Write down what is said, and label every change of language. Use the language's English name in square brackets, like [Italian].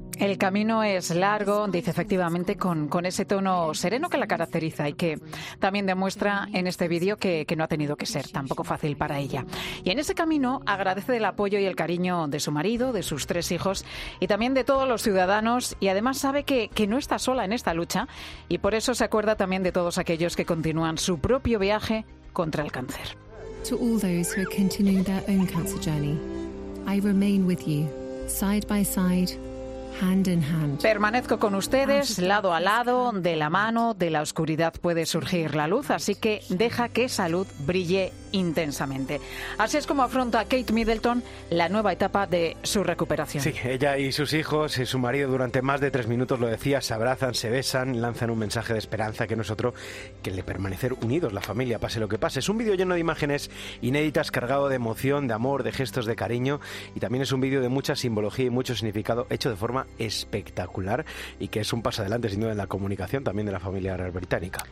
[Spanish] El camino es largo, dice efectivamente con ese tono sereno que la caracteriza y que también demuestra en este vídeo que no ha tenido que ser tampoco fácil para ella. Y en ese camino agradece el apoyo y el cariño de su marido, de sus 3 hijos y también de todos los ciudadanos y además sabe que no está sola en esta lucha y por eso se acuerda también de todos aquellos que continúan su propio viaje contra el cáncer. [English] To all those who are continuing their own cancer journey, I remain with you, side by side, hand in hand. [Spanish] Permanezco con ustedes, lado a lado, de la mano, de la oscuridad puede surgir la luz, así que deja que esa luz brille intensamente. Así es como afronta Kate Middleton la nueva etapa de su recuperación. Sí, ella y sus hijos y su marido durante más de 3 minutos, lo decía, se abrazan, se besan, lanzan un mensaje de esperanza que no es otro que el de permanecer unidos, la familia, pase lo que pase. Es un vídeo lleno de imágenes inéditas, cargado de emoción, de amor, de gestos, de cariño y también es un vídeo de mucha simbología y mucho significado, hecho de forma espectacular y que es un paso adelante sin duda en la comunicación también de la familia real británica.